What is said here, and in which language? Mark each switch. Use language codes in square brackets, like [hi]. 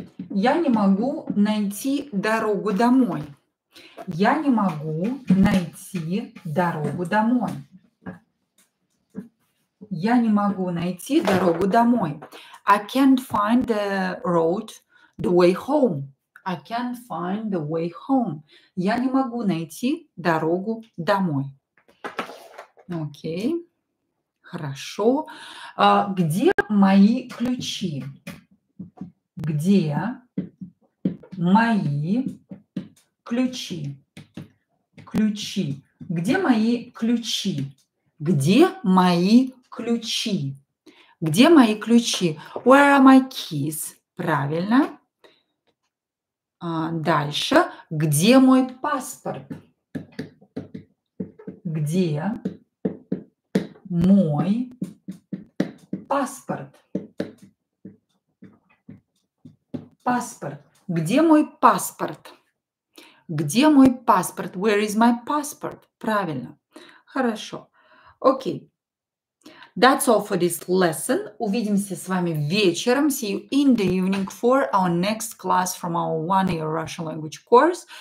[ru] Я не могу найти дорогу домой. Я не могу найти дорогу домой. Я не могу найти дорогу домой. [en] I can't find the road, the way home. I can't find the way home. [ru] Я не могу найти дорогу домой. Окей. Хорошо. Где мои ключи? Где мои ключи? Ключи. Где мои ключи? Где мои ключи? Где мои ключи? [en] Where are my keys? [ru] Правильно. Дальше. Где мой паспорт? Где мой паспорт? Паспорт. Где мой паспорт? Где мой паспорт? [en] Where is my passport? [ru] Правильно. Хорошо. Окей. [en] That's all for this lesson. [ru] Увидимся с вами вечером. [en] See you in the evening for our next class from our one-year Russian language course.